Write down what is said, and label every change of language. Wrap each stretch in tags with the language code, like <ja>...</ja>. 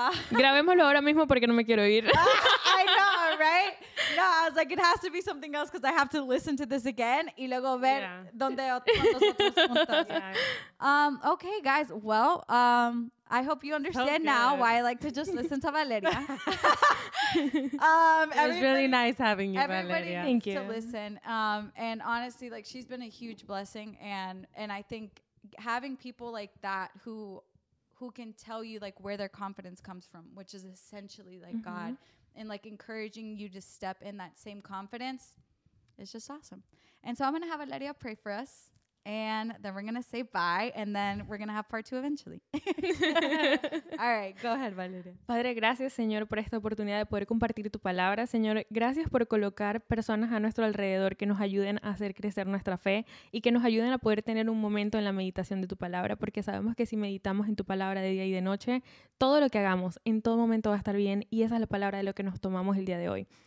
<es>Grabémoslo ahora mismo porque no me quiero ir.</es> <en>I know, right? No, I was like, it has to be something else because I have to listen to this again</en> <es>y luego ver dónde otros puntos.</es> <en>Okay, guys. Well, I hope you understand now why I like to just listen to Valeria. It was really nice having you, everybody, Valeria. Everybody needs to listen. And honestly, like, she's been a huge blessing. And I think having people like that who can tell you like where their confidence comes from, which is essentially like God, and like encouraging you to step in that same confidence, is just awesome. And so I'm gonna have Valeria pray for us, and then we're gonna say bye, and then we're gonna have part two eventually. All right, go ahead, Valeria.</en> <es>Padre, gracias, Señor, por esta oportunidad de poder compartir tu palabra. Señor, gracias por colocar personas a nuestro alrededor que nos ayuden a hacer crecer nuestra fe y que nos ayuden a poder tener un momento en la meditación de tu palabra, porque sabemos que si meditamos en tu palabra de día y de noche, todo lo que hagamos en todo momento va a estar bien, y esa es la palabra de lo que nos tomamos el día de hoy.</es>